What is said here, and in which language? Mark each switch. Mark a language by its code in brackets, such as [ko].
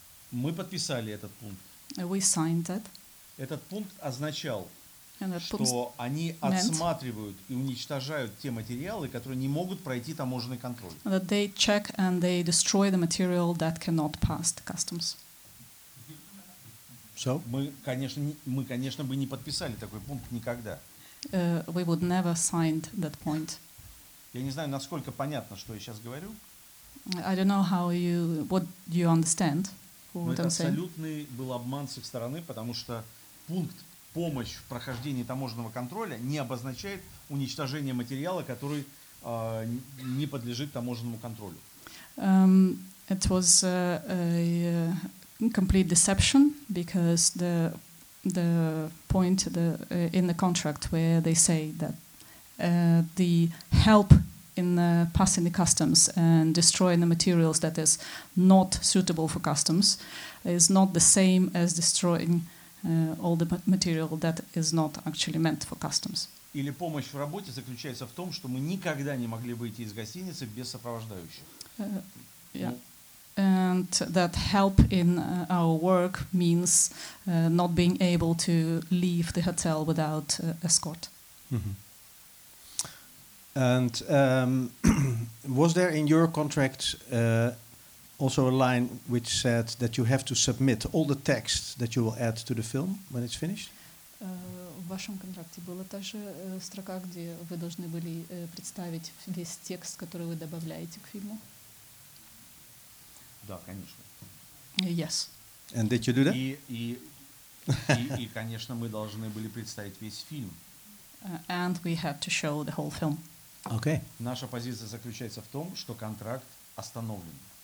[ru] Мы подписали этот пункт. [en] We signed that. [ru] Этот пункт означал, что они отсматривают и уничтожают те материалы, которые не могут пройти таможенный контроль. [en] That they check and they destroy the material that cannot pass the customs. So? [ru] Мы, конечно, бы не подписали такой пункт никогда. [en] We would never sign that point. [ru] Я не знаю, насколько понятно, что я сейчас говорю. [en] I don't know how you, what you understand. [ru] Но это абсолютный был обман с их стороны, потому что пункт «помощь в прохождении таможенного контроля» не обозначает уничтожение материала, который не подлежит таможенному контролю. [en] It was a complete deception, because the point in the contract where they say that the help in passing the customs and destroying the materials that is not suitable for customs is not the same as destroying all the material that is not actually meant for customs. [ru] Или помощь в работе заключается в том, что мы никогда не могли выйти из гостиницы без сопровождающих. [en] And that help in our work means not being able to leave the hotel without escort. And was there in your contract also a line which said that you have to submit all the text that you will add to the film when it's finished? [ru] В вашем контракте была та же строка, где вы должны были представить весь текст, который вы добавляете к фильму? Да, конечно. [en] Yes. And did you do that? [ru] И конечно, мы должны были представить весь фильм. [en] And we had to show the whole film. Okay. [ru] Наша позиция заключается в том, что контракт остановлен.